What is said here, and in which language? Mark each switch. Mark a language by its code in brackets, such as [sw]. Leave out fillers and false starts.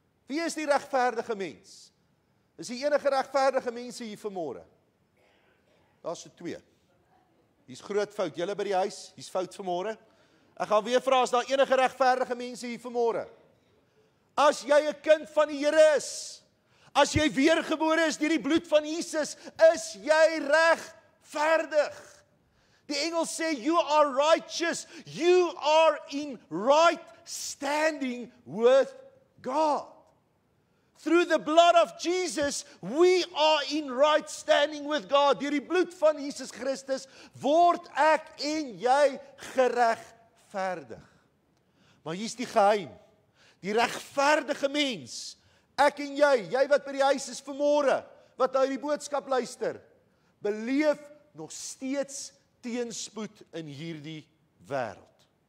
[af] Wie is die regverdige mens? Is die enige regverdige mense hier vanmôre? Daar is so twee. Hier is groot fout. Julle by die huis, hier is fout vanmôre. Ek gaan weer vra, is daar enige regverdige mense hier vanmôre? As jy 'n kind van die Here is, as jy weergebore is deur die bloed van Jesus, is jy reg. Verdig. Die engel sê, [en] you are righteous, you are in right standing with God. Through the blood of Jesus, we are in right standing with God. [af] Deur die bloed van Jesus Christus, word ek en jy geregverdig. Maar hier is die geheim, die regverdige mens, ek en jy, jy wat by die huis is vanmôre, wat na die boodskap luister, beleef nog steeds teenspoed in hierdie wêreld.